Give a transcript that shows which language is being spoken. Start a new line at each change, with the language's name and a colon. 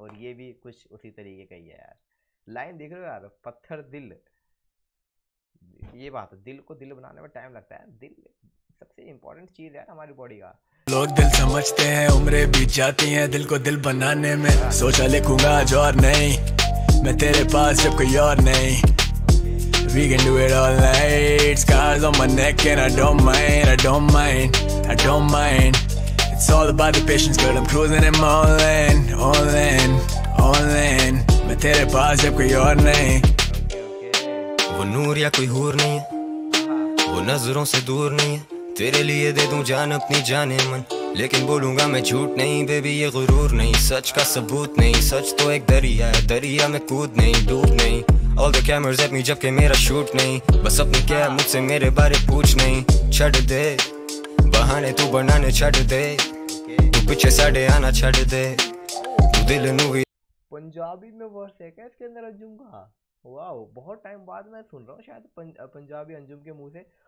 Hindi: और ये भी कुछ उसी तरीके का ही है यार. लाइन देख रहे हो यार, पत्थर दिल, ये बात है दिल को दिल बनाने में टाइम लगता है. दिल सबसे इम्पोर्टेंट चीज़ है हमारी बॉडी का. लोग दिल समझते हैं उम्रें बीत जाती हैं दिल को दिल बनाने में. सोचा लिखूंगा आज और नहीं मैं तेरे पास जब कोई और नहीं.
English: We can do it all night, scars on my neck and I don't mind. It's all about the patience, girl. I'm cruising in my own lane, own lane, own lane.
Hindi: मैं तेरे पास जब कोई और नहीं. वो नूर या कोई हूर नहीं, वो नजरों से दूर नहीं. तेरे लिए दे दूं जान अपनी जाने मन, लेकिन बोलूंगा मैं झूठ नहीं. बेबी ये गुरूर नहीं, सच का सबूत नहीं. सच तो एक दरिया है, दरिया में कूद नहीं डूब नहीं.
English: All the cameras at me
Hindi: जबकि मेरा शूट नहीं. बस अपने क्या मुझसे मेरे बारे पूछ नहीं.
Punjabi: छड़ दे बहाने तू बनाने, छड़ दे तू पीछे साढ़े आना, छड़ दे तू दिल नू.
Hindi: पंजाबी में वर्स है क्या इसके अंदर अंजुम का? वाओ बहुत टाइम बाद मैं सुन रहा हूँ शायद पंजाबी अंजुम के मुंह से.